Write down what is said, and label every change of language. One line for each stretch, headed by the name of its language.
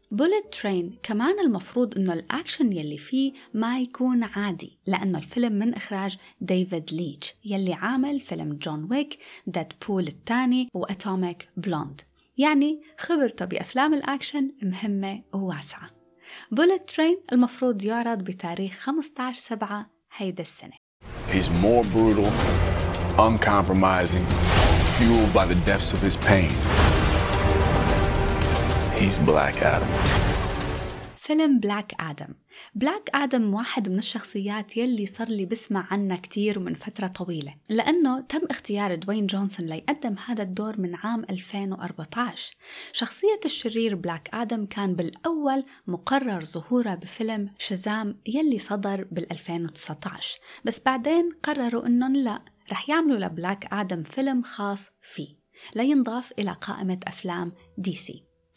Arabic: Bullet Train كمان المفروض إنه الأكشن يلي فيه ما يكون عادي، لأنه الفيلم من إخراج ديفيد ليتش يلي عامل فيلم جون ويك، ديدبول الثاني وأتوميك بلوند، يعني خبرته بأفلام الأكشن مهمة وواسعة. Bullet Train المفروض يعرض بتاريخ 15/7 هيدا السنة.
English: He's more brutal, uncompromising, fueled by the depths of his pain. He's Black Adam.
Arabic: فيلم Black Adam. Black Adam واحد من الشخصيات يلي صار لي بسمع عنها كتير من فترة طويلة، لأنه تم اختيار دوين جونسون ليقدم هذا الدور من عام 2014. شخصية الشرير Black Adam كان بالأول مقرر ظهوره بفيلم شزام يلي صدر بال 2019، بس بعدين قرروا أنهم لا، رح يعملوا لBlack Adam فيلم خاص فيه لينضاف إلى قائمة أفلام دي سي.